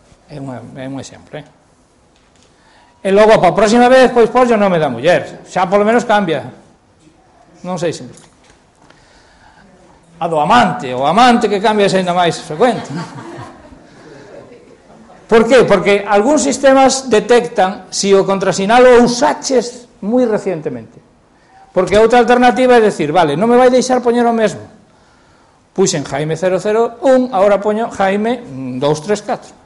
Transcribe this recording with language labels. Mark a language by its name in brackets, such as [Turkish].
[Galician] É un exemplo, E logo, para a próxima vez, pois, pois, o nome da muller. Xa, polo menos, cambia. Non sei se me explico. A do amante, o amante que cambia xa ainda máis frecuente. [Spanish] ¿Por qué? Porque algunos sistemas detectan si [Galician] o contrasinal o usaches [Spanish] muy recientemente. Porque otra alternativa es decir, vale, no me vais a dejar poner lo mismo. Puse en Jaime 001, ahora pongo Jaime 234.